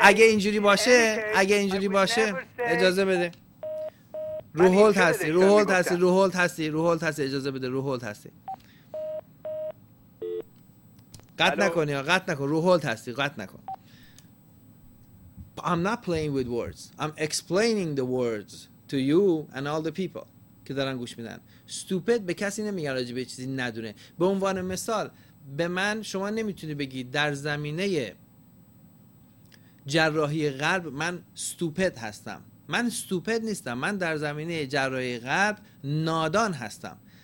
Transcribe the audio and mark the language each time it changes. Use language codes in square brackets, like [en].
[fa] اگه اینجوری باشه اجازه بده. رو هولد هستی اجازه بده رو هولد هستی. قطع نکن رو هولد هستی قطع نکن. [en] I'm not playing with words. I'm explaining the words to you and all the people. [fa] که دارن گوش میدن. Stupid به کسی نمیگن راجع به چیزی ندونه. به عنوان مثال به من شما نمیتونی بگی در زمینه جراحی قلب من stupid هستم. من stupid نیستم. من در زمینه جراحی قلب نادان هستم.